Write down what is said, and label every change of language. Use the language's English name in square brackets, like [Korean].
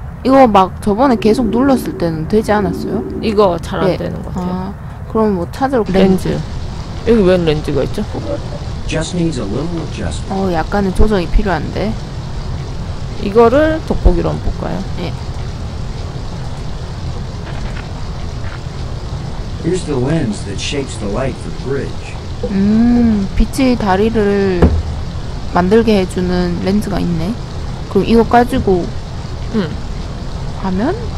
[Korean] 이거 막 저번에 계속 눌렀을 때는 되지 않았어요? 이거 잘 안 예. 되는 것 같아요. 아, 그럼 뭐 찾을 렌즈. 여기 웬 렌즈가 있죠? [English] Just needs a little adjustment. [Korean] 어, 약간의 조정이 필요한데. 이거를 돋보기로 한번 볼까요? 예. [English] Here's the lens that shapes the light for bridge. [Korean] 빛의 다리를 만들게 해주는 렌즈가 있네. 그럼 이거 가지고 가면?